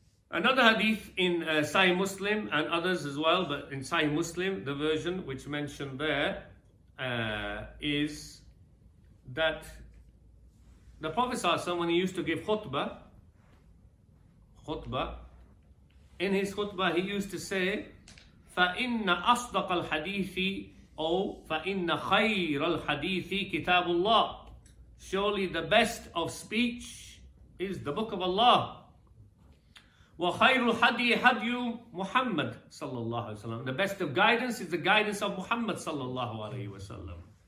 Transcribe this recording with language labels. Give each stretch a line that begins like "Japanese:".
English: Another hadith in Sahih Muslim and others as well, but in Sahih Muslim, the version which mentioned there is that the Prophet ﷺ, when he used to give khutbah, in his khutbah, he used to say,
Arabic: فَإِنَّ أَصْدَقَ الْحَدِيثِ Oh, فإن خير الحديث كتاب الله.
English: Surely the best of speech is the book of Allah.
Arabic: وخير الحدي حدي محمد صلى الله عليه وسلم.
English: The best of guidance is the guidance of Muhammad صلى الله عليه وسلم.